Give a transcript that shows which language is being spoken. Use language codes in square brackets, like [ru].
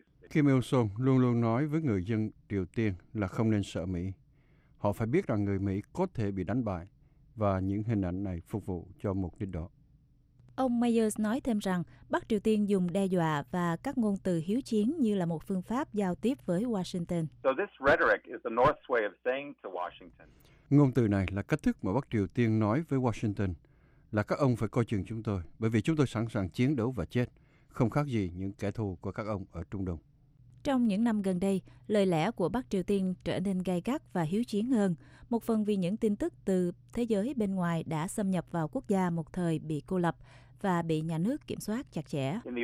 [vi] Kim Il-sung luôn luôn nói với người dân Triều Tiên là không nên sợ Mỹ. Họ phải biết rằng người Mỹ có thể bị đánh bại, và những hình ảnh này phục vụ cho mục đích đó. Ông Myers nói thêm rằng Bắc Triều Tiên dùng đe dọa và các ngôn từ hiếu chiến như là một phương pháp giao tiếp với Washington. [en] So this rhetoric is the North's way of saying to Washington. [vi] Ngôn từ này là cách thức mà Bắc Triều Tiên nói với Washington là các ông phải coi chừng chúng tôi, bởi vì chúng tôi sẵn sàng chiến đấu và chết, không khác gì những kẻ thù của các ông ở Trung Đông. Trong những năm gần đây, lời lẽ của Bắc Triều Tiên trở nên gay gắt và hiếu chiến hơn, một phần vì những tin tức từ thế giới bên ngoài đã xâm nhập vào quốc gia một thời bị cô lập và bị nhà nước kiểm soát chặt chẽ.